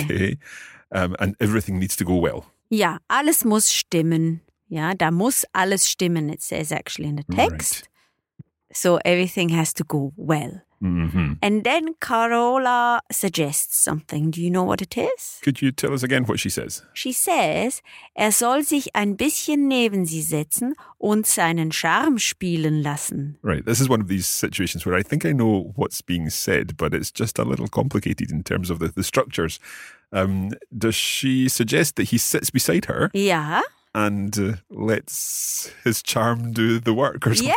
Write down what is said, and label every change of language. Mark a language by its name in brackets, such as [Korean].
[English] Okay. And everything needs to go well. [German] Ja, alles muss stimmen. Ja, da muss alles stimmen, [English] it says actually in the text. Right. So everything has to go well. And then Carola suggests something. Do you know what it is? Could you tell us again what she says? She says, [German] er soll sich ein bisschen neben sie setzen und seinen Charme spielen lassen. [English] Right. This is one of these situations where I think I know what's being said, but it's just a little complicated in terms of the structures. Does she suggest that he sits beside her? Yeah. And lets his charm do the work or something